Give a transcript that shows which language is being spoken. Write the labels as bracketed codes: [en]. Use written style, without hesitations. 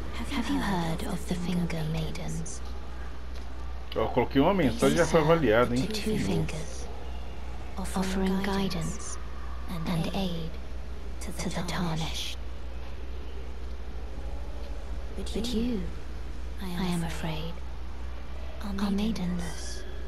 [en] Have you heard of the Finger Maidens? [pt] Eu coloquei uma mensagem já foi avaliada, hein? [en] Two fingers, offering guidance and aid to the tarnished. But you, I am afraid, are maidenless.